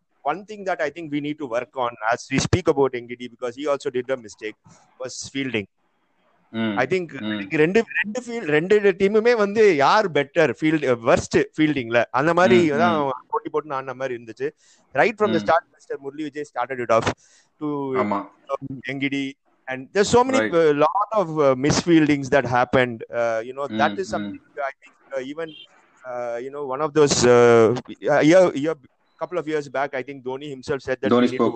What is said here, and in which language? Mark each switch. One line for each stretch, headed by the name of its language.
English: one thing that I think we need to work on as we speak about NGD, because he also did a mistake, was fielding. I think
Tamil: ரெண்டு டீமுமே வந்து யார் better worst ஃபீல்டிங்ல அந்த மாதிரி தான் போட்டி போட்டு ஆன மாதிரி இருந்துச்சு.
English: right from the start mister Murali Vijay started it off to Ngidi and there's so many lot of misfieldings that happened you know that is something I think even you know one of those a couple of years back I think Dhoni himself said that we